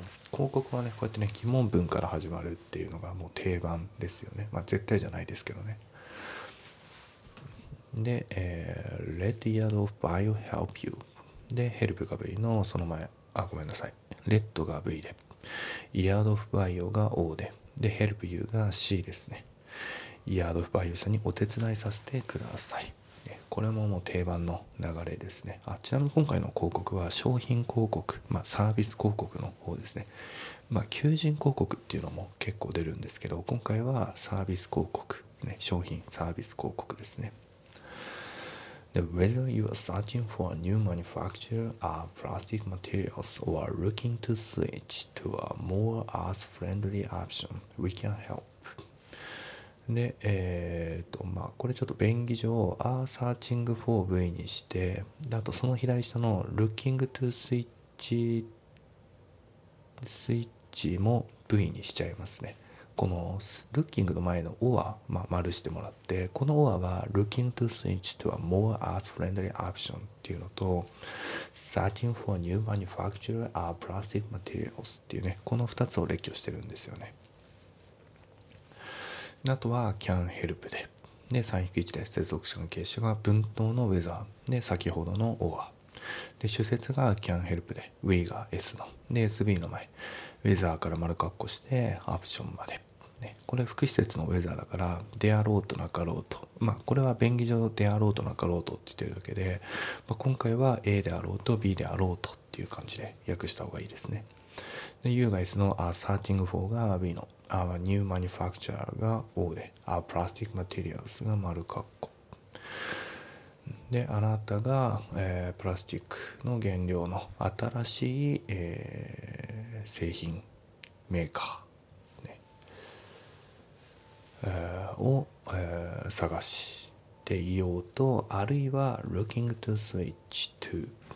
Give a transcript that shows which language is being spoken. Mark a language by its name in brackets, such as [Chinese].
[Japanese] 広告はねこうやってね疑問文から始まるっていうのがもう定番ですよね。まあ絶対じゃないですけどね。で、 [English] Let the yard of bio help you [Japanese] で、help が V のその前、あごめんなさい、 Let が V で、 yard of bio が O で、で、help you が C ですね。 yard of bio さんにお手伝いさせてください。これももう定番の流れですね。あ、ちなみに今回の広告は商品広告、まあ、サービス広告の方ですね。まあ、求人広告っていうのも結構出るんですけど、今回はサービス広告、ね、商品サービス広告ですね。 [English] で、Whether you are searching for a new manufacturer of plastic materials or looking to switch to a more earth-friendly option, we can help. [Japanese] で、まあ、これちょっと便宜上、アーサーチングフォー V にして、あとその左下の、ルッキングトゥースイッチ、スイッチも V にしちゃいますね。この、ルッキングの前のオア、まあ、丸してもらって、このオアは、ルッキングトゥースイッチとは、モアアースフレンドリーオプションっていうのと、サーチングフォーニューマニファクチュアアープラスティックマテリアルスっていうね、この2つを列挙してるんですよね。あとは can help で、で、311で接続詞関係詞が文頭の weather で、先ほどの or で、主節が can help で、 we が s の、で、 sb の前、 weather から丸括弧して option まで、ね、これ副詞節の weather だから であろうとなかろうと、まあこれは便宜上であろうとなかろうとって言ってるだけで、まあ、今回は a であろうと b であろうとっていう感じで訳した方がいいですね。で、 u が s の a searching for が v のOur new manufacturer が O で、Our plastic materials が丸括弧。で、あなたが、プラスチックの原料の新しい、製品メーカー、ね、を、探していようと、あるいは [English] looking to switch to。